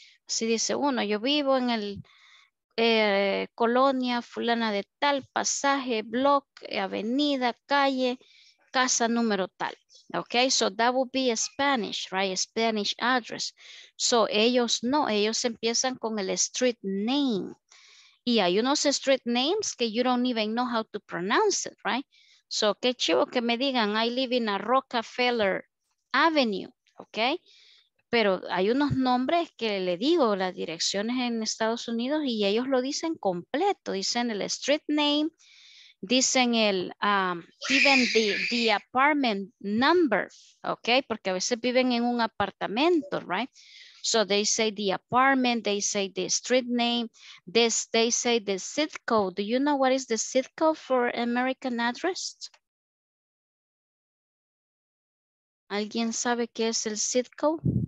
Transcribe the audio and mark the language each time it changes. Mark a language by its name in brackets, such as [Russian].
[Spanish] Así dice uno, yo vivo en el colonia fulana de tal, pasaje, block, avenida, calle, casa número tal. [English] Okay, so that would be Spanish, right? Spanish address. [Spanish] So ellos no, ellos empiezan con el street name. Y hay unos street names que [English] you don't even know how to pronounce it, right? So, [Spanish] qué chivo que me digan, [English] I live in a Rockefeller Avenue, okay? [Spanish] Pero hay unos nombres que le digo, las direcciones en Estados Unidos, y ellos lo dicen completo. Dicen el street name, dicen el, [English] even the apartment number, [Spanish] okay? Porque a veces viven en un apartamento, right? [English] So they say the apartment, they say the street name, this, they say the zip code. Do you know what is the zip code for American address? [Spanish] ¿Alguien sabe qué es el zip code?